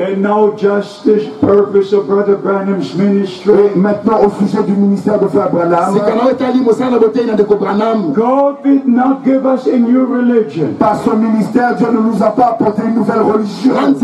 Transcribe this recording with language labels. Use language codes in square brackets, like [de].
[en] And now just this purpose of Brother Branham's ministry. [fr] Et maintenant au sujet du ministère de Frère Branham. [en] God did not give us a new religion. [fr] Par son ministère, Dieu ne nous a pas apporté une nouvelle religion.